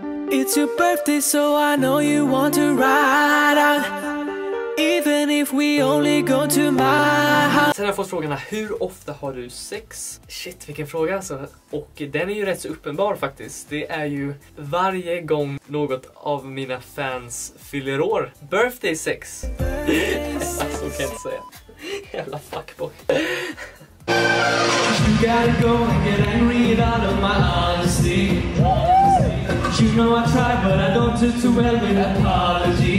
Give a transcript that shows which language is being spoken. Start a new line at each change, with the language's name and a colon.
English: It's your birthday, so I know you want to ride out. Even if we only go to my house.
Swedish: Sen har jag fått frågan, hur ofta har du sex? Shit, vilken fråga alltså. Och den är ju rätt så uppenbar faktiskt. Det är ju varje gång något av mina fans fyller år.
English: Birthday sex.
Swedish: Alltså, kan jag inte säga. Jävla fuckboy.
English: You gotta go and get angry out of my honesty. You know I tried, but I don't do too well with apology.